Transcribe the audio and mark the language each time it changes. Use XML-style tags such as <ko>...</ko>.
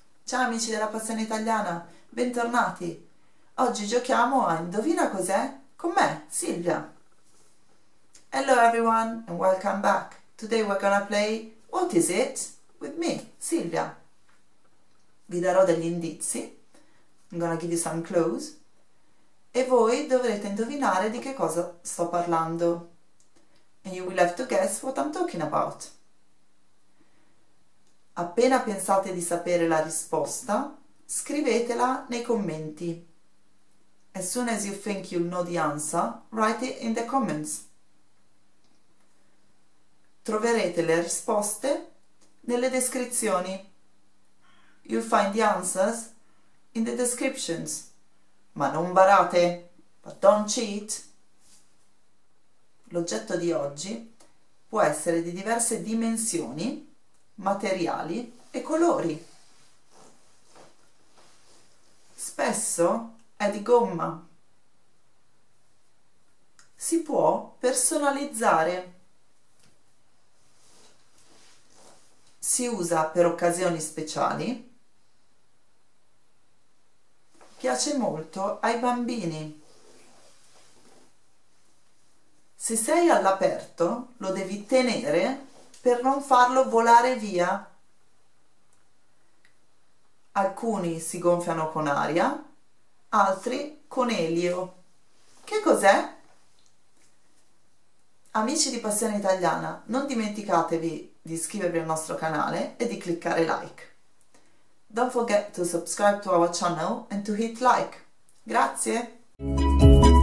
<it>Ciao amici della Passione Italiana, bentornati. Oggi giochiamo a Indovina cos'è? Con me, Silvia.</it> <en>Hello everyone and welcome back. Today we're gonna play What is it? With me, Silvia.</en> <it>Vi darò degli indizi.</it> <en>I'm gonna give you some clues.</en> <it>E voi dovrete indovinare di che cosa sto parlando.</it> <en>And you will have to guess what I'm talking about.</en> <it>Appena pensate di sapere la risposta, scrivetela nei commenti.</it> <en>As soon as you think you know the answer, write it in the comments.</en> <it>Troverete le risposte nelle descrizioni.</it> <en>You'll find the answers in the descriptions.</en> <it>Ma non barate,</it> <en>but don't cheat.</en> <it>L'oggetto di oggi può essere di diverse dimensioni, materiali e colori. Spesso è di gomma. Si può personalizzare. Si usa per occasioni speciali. Piace molto ai bambini. Se sei all'aperto, lo devi tenere per non farlo volare via. Alcuni si gonfiano con aria, altri con elio. Che cos'è? Amici di Passione Italiana, non dimenticatevi di iscrivervi al nostro canale e di cliccare like.</it> <en>Don't forget to subscribe to our channel and to hit like.</en> <it>Grazie!</it>